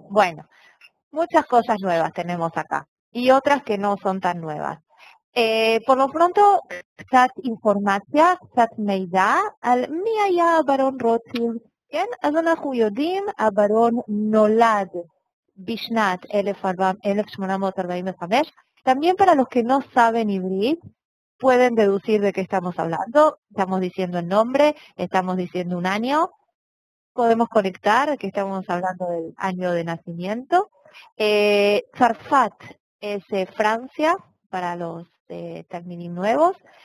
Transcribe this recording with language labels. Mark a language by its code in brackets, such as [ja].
[es] Bueno, muchas cosas nuevas tenemos acá y otras que no son tan nuevas. Por lo pronto, [he] קצת אינפורמציה, קצת מידע על מי היה הברון רוטשילד. כן, אז אנחנו יודעים, הברון נולד בשנת 1845. [es] También para los que no saben hebreo, pueden deducir de qué estamos hablando. Estamos diciendo el nombre, estamos diciendo un año. Podemos conectar que estamos hablando del año de nacimiento. Zarfat es Francia, para los términos nuevos.